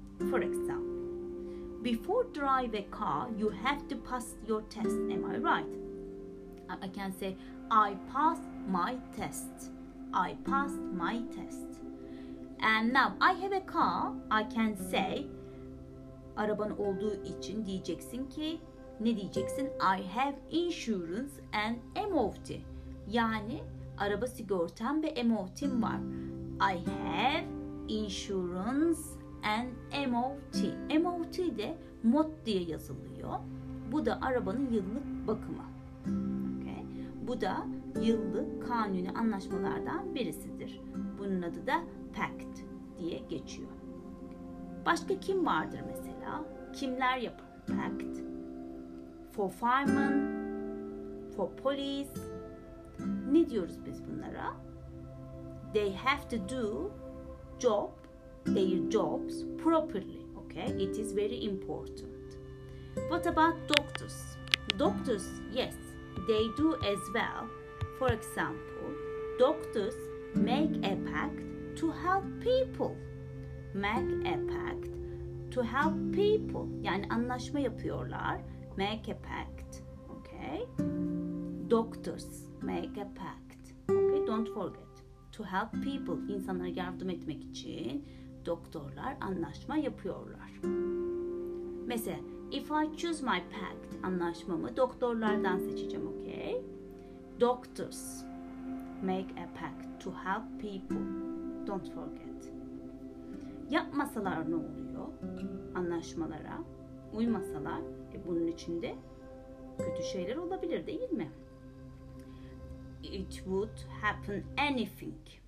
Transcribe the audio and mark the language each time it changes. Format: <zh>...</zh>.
<en>For example, before drive a car, you have to pass your test. Am I right? I can say, I passed my test. I passed my test. And now, I have a car. I can say,</en> <tr>araban olduğu için diyeceksin ki, ne diyeceksin?</tr> <en>I have insurance and MOT.</en> <tr>Yani, araba sigortam ve MOT'm var.</tr> <en>I have insurance and MOT.</en> <tr>MOT de mod diye yazılıyor. Bu da arabanın yıllık bakımı. Okay. Bu da yıllık kanuni anlaşmalardan birisidir. Bunun adı da pact diye geçiyor. Başka kim vardır mesela? Kimler yapar</tr> <en>pact? For firemen, for police.</en> <tr>Ne diyoruz biz bunlara?</tr> <en>They have to do job. Their jobs properly. Okay, it is very important. What about doctors? Doctors, yes, they do as well. For example, doctors make a pact to help people. Make a pact to help people.</en> <tr>Yani anlaşma yapıyorlar.</tr> <en>Make a pact. Okay. Doctors make a pact. Okay, don't forget. To help people.</en> <tr>İnsanlara yardım etmek için doktorlar anlaşma yapıyorlar.</tr> <en>Mesela if I choose my pact</en> <tr>anlaşmamı doktorlardan seçeceğim,</tr> <en>okay? Doctors make a pact to help people. Don't forget.</en> <tr>Yapmasalar ne oluyor? Anlaşmalara uymasalar bunun içinde kötü şeyler olabilir değil mi?</tr> <en>It would happen anything.</en>